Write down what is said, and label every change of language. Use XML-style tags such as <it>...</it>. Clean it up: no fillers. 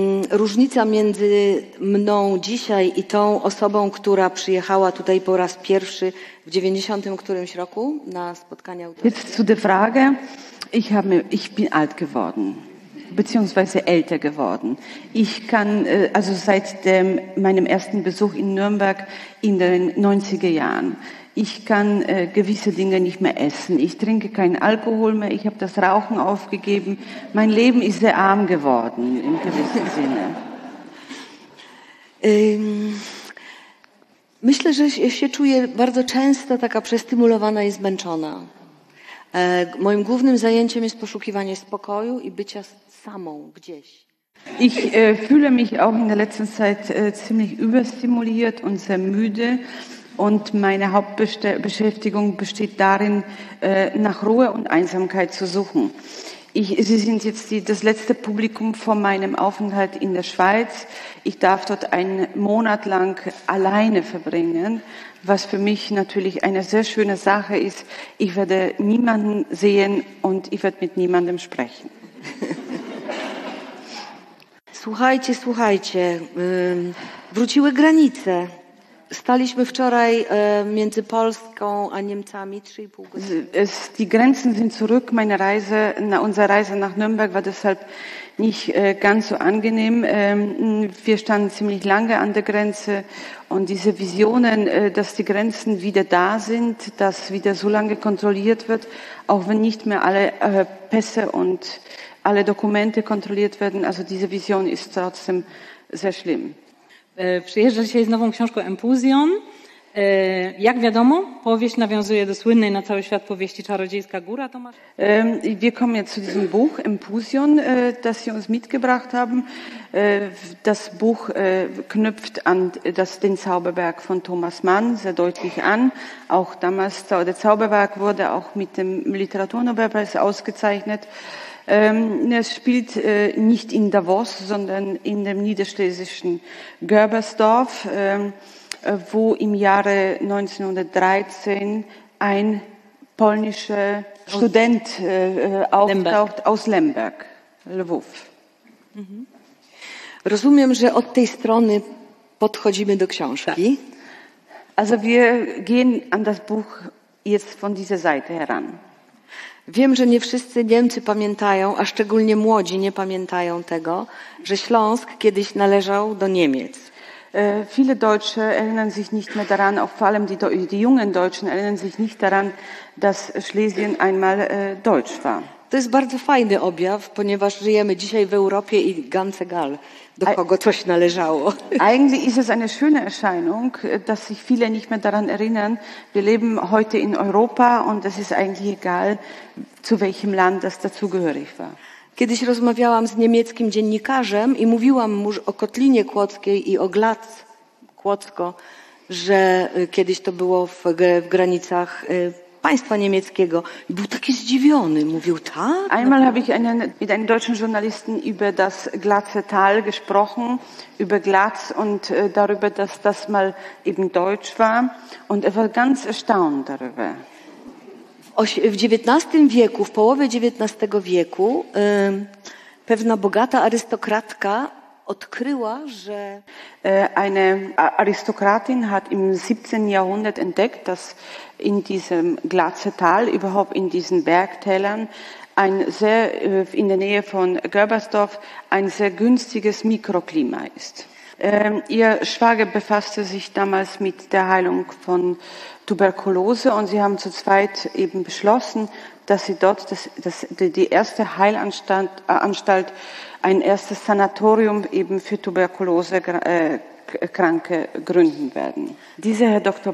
<pl>Różnica między mną dzisiaj i tą osobą, która przyjechała tutaj po raz pierwszy w 90 którymś roku na spotkanie autorskie.</pl> <de>Jetzt zu der Frage. Ich bin alt geworden. Beziehungsweise älter geworden. Ich kann, also seit meinem ersten Besuch in Nürnberg in den 90er Jahren, ich kann gewisse Dinge nicht mehr essen. Ich trinke keinen Alkohol mehr, ich habe das Rauchen aufgegeben. Mein Leben ist sehr arm geworden, im gewissen Sinne.</de> <pl>Myślę, że się czuję bardzo często taka przestymulowana i zmęczona. Moim głównym zajęciem jest poszukiwanie spokoju i bycia samą gdzieś.</pl> <de>Ich fühle mich auch in der letzten Zeit ziemlich überstimuliert und sehr müde und meine Hauptbeschäftigung besteht darin, nach Ruhe und Einsamkeit zu suchen. Sie sind jetzt das letzte Publikum vor meinem Aufenthalt in der Schweiz. Ich darf dort einen Monat lang alleine verbringen, was für mich natürlich eine sehr schöne Sache ist. Ich werde niemanden sehen und ich werde mit niemandem sprechen.</de> <pl>Słuchajcie, słuchajcie, wróciły granice. Staliśmy wczoraj między Polską a Niemcami 3,5 godziny.</pl> <de>Die Grenzen sind zurück. Meine Reise, unsere Reise nach Nürnberg war deshalb nicht ganz so angenehm. Wir standen ziemlich lange an der Grenze und diese Visionen, dass die Grenzen wieder da sind, dass wieder so lange kontrolliert wird, auch wenn nicht mehr alle Pässe und alle Dokumente kontrolliert werden, also diese Vision ist trotzdem sehr schlimm.</de> <pl>Przyjeżdżam dzisiaj z nową książką Empusion. Jak wiadomo, powieść nawiązuje do słynnej na cały świat powieści Czarodziejska Góra. Tomasz.</pl> <de>Wir kommen jetzt zu diesem Buch Empusion, das Sie uns mitgebracht haben. Das Buch knüpft an den Zauberberg von Thomas Mann sehr deutlich an. Auch damals der Zauberberg wurde auch mit dem Literaturnobelpreis ausgezeichnet. Es spielt nicht in Davos, sondern in dem niederschlesischen Görbersdorf, wo im Jahre 1913 ein polnischer Student auftaucht aus Lemberg, Lwów.</de> <pl>Rozumiem, że od tej strony podchodzimy do książki.</pl> <de>Also wir gehen an das Buch jetzt von dieser Seite heran.</de> <pl>Wiem, że nie wszyscy Niemcy pamiętają, a szczególnie młodzi nie pamiętają tego, że Śląsk kiedyś należał do Niemiec.</pl> <de>Viele Deutsche erinnern sich nicht mehr daran, auch vor allem die jungen Deutschen erinnern sich nicht daran, dass Schlesien einmal deutsch war.</de> <pl>To jest bardzo fajny objaw, ponieważ żyjemy dzisiaj w Europie i</pl> <de>ganz egal,</de> <pl>do kogo coś należało.</pl> <de>Eigentlich ist es eine schöne Erscheinung, dass sich viele nicht mehr daran erinnern. Wir leben heute in Europa und es ist eigentlich egal, zu welchem Land das dazugehörig war.</de> <pl>Kiedyś rozmawiałam z niemieckim dziennikarzem i mówiłam mu o Kotlinie Kłodzkiej i o Glatz Kłodzko, że kiedyś to było w granicach państwa niemieckiego. I był taki zdziwiony. Mówił, tak?</pl> <de>Einmal habe ich mit einem deutschen Journalisten über das Glatze Tal gesprochen, über Glatz und darüber, dass das mal eben deutsch war. Und er war ganz erstaunt darüber.</de> <pl>W XIX wieku, w połowie XIX wieku, pewna bogata arystokratka odkryła, że</pl> <de>eine Aristokratin hat im 17. Jahrhundert entdeckt, dass in diesem Glatzetal, überhaupt in diesen Bergtälern, ein sehr in der Nähe von Görbersdorf ein sehr günstiges Mikroklima ist. Ihr Schwager befasste sich damals mit der Heilung von Tuberkulose und sie haben zu zweit eben beschlossen, dass sie dort die erste Heilanstalt, ein erstes Sanatorium eben für Tuberkulose-Kranke gründen werden. Dieser Herr Dr.</de>